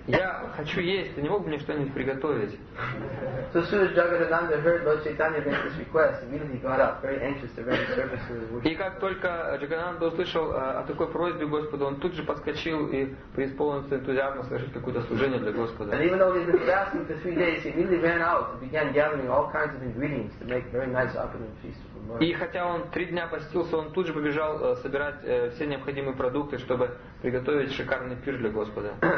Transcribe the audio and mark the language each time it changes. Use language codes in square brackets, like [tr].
[ru] Я хочу есть, ты не мог бы мне что-нибудь приготовить? [en] So soon as Jagannanda heard Lord Chaitanya make this request, immediately got up, very anxious to render service to his worship. [ru] И как только Джагананда услышал о такой просьбе Господа, он тут же подскочил и преисполнился энтузиазма совершить какое-то служение для Господа. [en] And even though he'd been fasting for 3 days, he immediately ran out and began gathering all kinds of ingredients to make very nice opulent feast. [ru] И хотя он 3 дня постился, он тут же побежал собирать все необходимые продукты, чтобы приготовить шикарный пир для Господа.